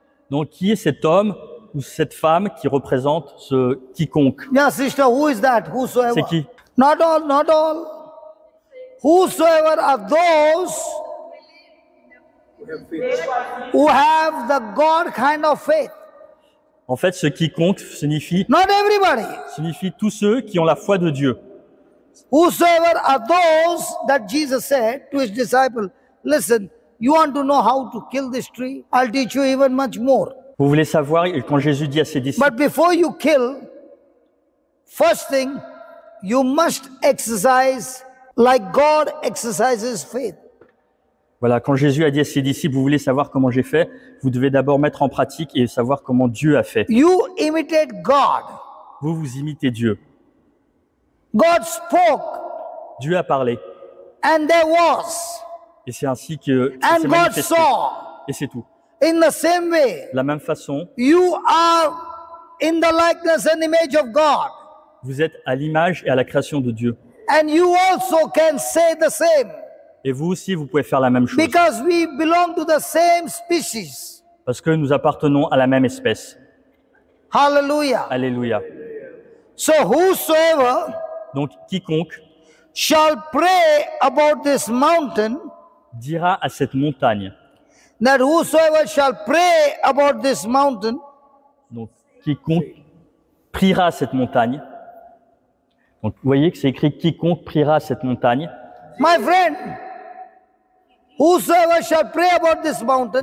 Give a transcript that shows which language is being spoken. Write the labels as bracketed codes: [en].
[fr] Donc, qui est cet homme? Ou cette femme qui représente ce quiconque. [en] Yeah, sister, who is that? Whosoever. [fr] C'est qui? [en] Not all. Whosoever are those who have the God kind of faith. [fr] En fait, ce quiconque signifie. [en] Not everybody. [fr] Signifie tous ceux qui ont la foi de Dieu. [en] Whosoever are those that Jesus said to his disciple, listen, you want to know how to kill this tree? I'll teach you even much more. [fr] Vous voulez savoir quand Jésus dit à ses disciples. [en] But before you kill, first thing, you must exercise like God exercises faith. [fr] Voilà, quand Jésus a dit à ses disciples, vous voulez savoir comment j'ai fait, vous devez d'abord mettre en pratique et savoir comment Dieu a fait. [en] You imitate God. [fr] Vous imitez Dieu. [en] God spoke. [fr] Dieu a parlé. [en] And there was. [fr] Et c'est ainsi que. [en] And God saw. [fr] Et c'est tout. [en] In the same way, [fr] la même façon, [en] you are in the likeness and image of God. [fr] Vous êtes à l'image et à la création de Dieu. [en] And you also can say the same. [fr] Et vous aussi, vous pouvez faire la même chose. [en] Because we belong to the same species. [fr] Parce que nous appartenons à la même espèce. [en] Hallelujah. [fr] Alléluia. [en] So whosoever [fr] donc quiconque [en] shall pray about this mountain [fr] dira à cette montagne. [en] That whosoever shall pray about this mountain [fr] donc quiconque priera cette montagne. Donc vous voyez que c'est écrit quiconque priera cette montagne. [en] My friend, whosoever shall pray about this mountain.